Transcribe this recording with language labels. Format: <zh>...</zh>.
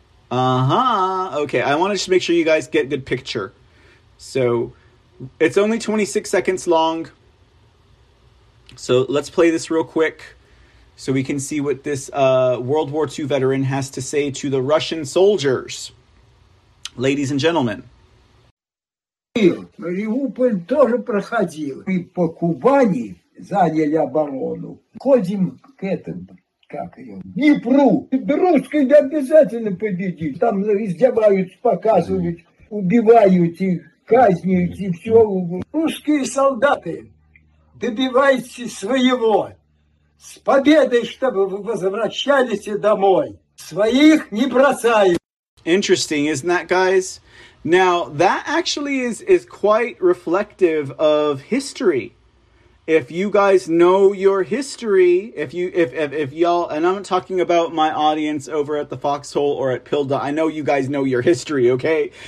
<en>Uh-huh. Okay. I want to just make sure you guys get a good picture. So it's only 26 seconds long. So let's play this real quick so we can see what this World War II veteran has to say to the Russian soldiers. Ladies and gentlemen.</en> <uk>Маріуполь теж проходили. І по Кубані зайняли оборону.</uk> <ru>Ходим к этому, как ее, Днепру. Русские не обязательно победить. Там издеваются, показывают, убивают их, казнят и все. Русские солдаты добиваются своего. С победой, чтобы вы возвращались домой. Своих не бросают.</ru> <en>Interesting, isn't that, guys? Now, that actually is quite reflective of history. If you guys know your history, if y'all, and I'm talking about my audience over at the Foxhole or at Pilda, I know you guys know your history, okay?</en>